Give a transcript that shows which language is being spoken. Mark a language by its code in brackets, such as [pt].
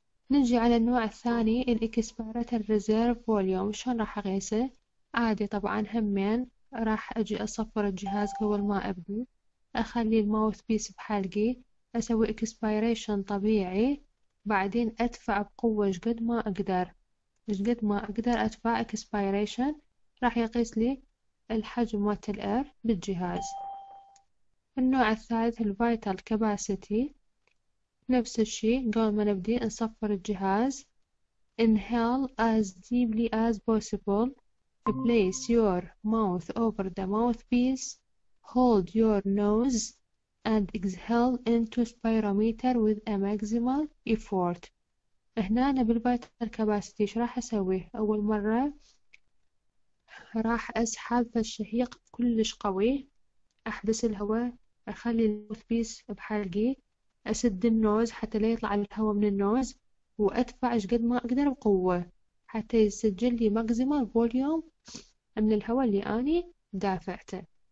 [ar] نجي على النوع الثاني الاكسبيراتور ريزيرف فوليوم، شلون راح اقيسه؟ عادي طبعا همين راح اجي اصفر الجهاز قبل ما ابدي، اخلي الماوث بيس بحلقي، اسوي اكسبيريشن طبيعي، بعدين ادفع بقوة قد ما اقدر، مش قد ما اقدر ادفع اكسبيريشن، راح يقيس لي الحجم مالت الاير بالجهاز. النوع الثالث الفايتال كاباسيتي، نفس الشيء قبل ما نبدي نصفر الجهاز. [en] inhale as deeply as possible، place your mouth over the mouthpiece، hold your nose and exhale into spirometer with a maximal effort. [ar] هنا أنا بالفايتال كاباسيتي ايش راح اسويه؟ اول مرة راح اسحب في الشهيق كلش قوي، احبس الهواء، اخلي الماوثبيس بحلقي، اسد النوز حتى لا يطلع الهواء من النوز، وادفع ايش قد ما اقدر بقوة حتى يسجل لي ماكسيمال فوليوم من الهواء اللي اني دافعته.